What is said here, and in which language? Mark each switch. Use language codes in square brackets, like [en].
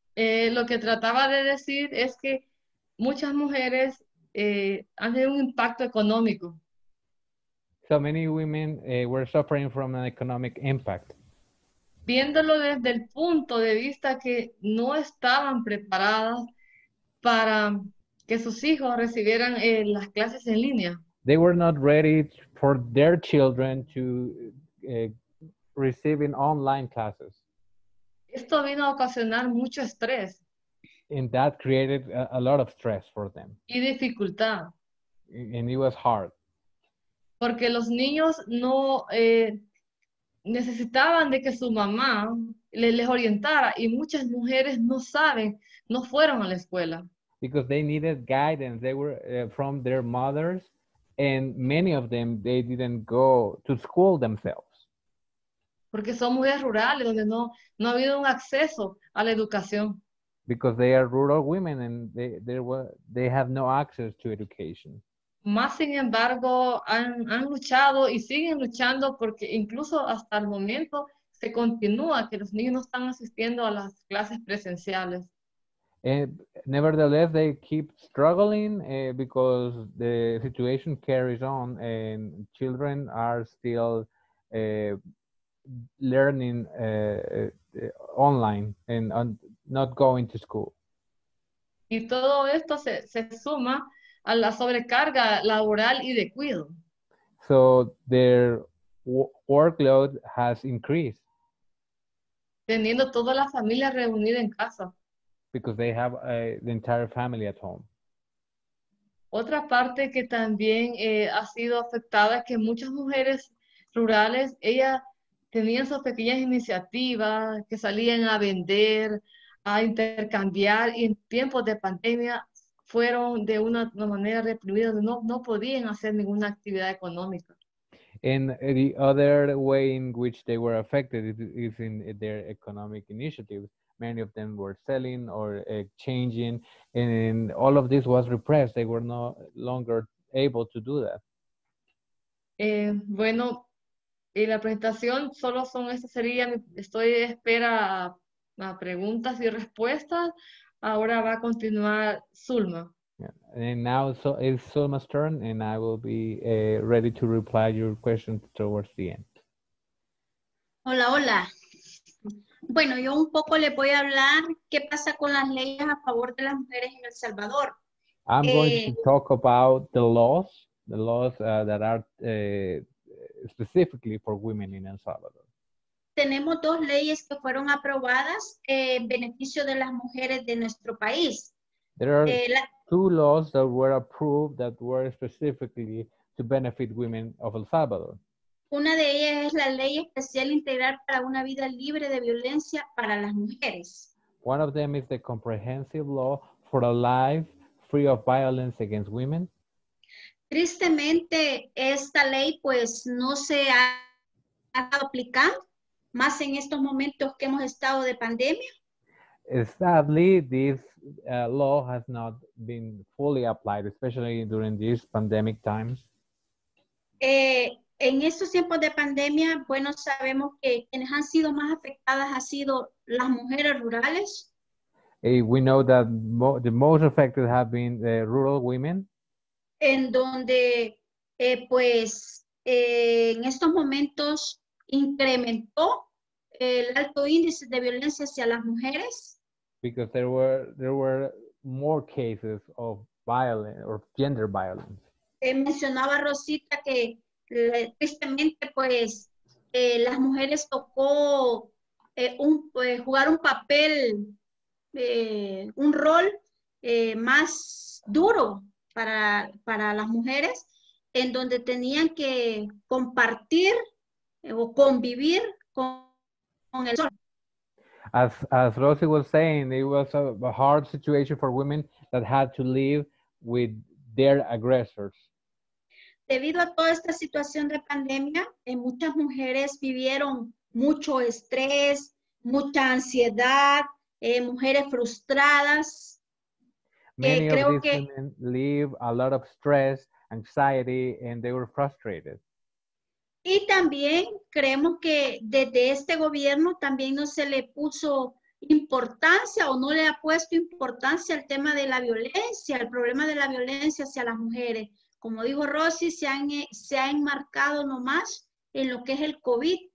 [es] Lo que trataba de decir es que muchas mujeres han tenido un impacto económico. [en] So many women were suffering from an economic impact. [es] Viéndolo desde el punto de vista que no estaban preparadas para que sus hijos recibieran las clases en línea. [en] They were not ready for their children to receiving online classes. [es] Esto vino a ocasionar mucho estrés. [en] And that created a lot of stress for them. [es] Y dificultad. [en] And it was hard. [es] Porque los niños no necesitaban de que su mamá les orientara y muchas mujeres no saben, no fueron a la escuela. [en] Because they needed guidance. They were from their mothers and many of them, they didn't go to school themselves. [es] Porque son mujeres rurales donde no ha habido un acceso a la educación. [en] Because they are rural women and they have no access to education. [es] Más sin embargo, han luchado y siguen luchando porque incluso hasta el momento se continúa, que los niños no están asistiendo a las clases presenciales. [en] And nevertheless, they keep struggling because the situation carries on and children are still learning online and not going to school. [es] Y todo esto se suma a la sobrecarga laboral y de cuidado. [en] So their workload has increased. [es] Teniendo toda la familia reunida en casa. [en] Because they have the entire family at home. [es] Otra parte que también ha sido afectada es que muchas mujeres rurales, ellas tenían sus pequeñas iniciativas que salían a vender, a intercambiar, y en tiempos de pandemia fueron de una manera reprimida, no podían hacer ninguna actividad económica. [en] And the other way in which they were affected is in their economic initiatives. Many of them were selling or exchanging, and all of this was repressed. They were no longer able to do that. [es] Bueno, y la presentación solo son, esta sería, estoy de espera a preguntas y respuestas. Ahora va a continuar Zulma. [en] Yeah. And now so it's Zulma's turn, and I will be ready to reply your question towards the end. [es] Hola, hola. Bueno, yo un poco les voy a hablar qué pasa con las leyes a favor de las mujeres en El Salvador. [en] I'm going to talk about the laws that are specifically for women in El Salvador. [es] Tenemos dos leyes que fueron aprobadas en beneficio de las mujeres de nuestro país. [en] There are two laws that were approved that were specifically to benefit women of El Salvador. [es] Una de ellas es la Ley Especial Integral para una Vida Libre de Violencia para las Mujeres. [en] One of them is the Comprehensive Law for a Life Free of Violence Against Women. [es] Tristemente, esta ley pues no se ha aplicado más en estos momentos que hemos estado de pandemia. [en] Sadly, this law has not been fully applied, especially during these pandemic times. [es] En estos tiempos de pandemia, bueno, sabemos que quienes han sido más afectadas han sido las mujeres rurales. [en] We know that the most affected have been the rural women. [es] En donde, en estos momentos incrementó el alto índice de violencia hacia las mujeres. [en] Because there were more cases of violence or gender violence. [es] Mencionaba Rosita que tristemente, pues, las mujeres tocó jugar un papel, un rol más duro para las mujeres, en donde tenían que compartir o convivir con el sol. [en] As Rosie was saying, it was a hard situation for women that had to live with their aggressors. [es] Debido a toda esta situación de pandemia, muchas mujeres vivieron mucho estrés, mucha ansiedad, mujeres frustradas. [en] Many of these women live a lot of stress, anxiety, and they were frustrated. [es] Y también creemos que desde este gobierno también no se le puso importancia o no le ha puesto importancia al tema de la violencia, al problema de la violencia hacia las mujeres. Como dijo Rosy, se ha enmarcado nomás en lo que es el COVID.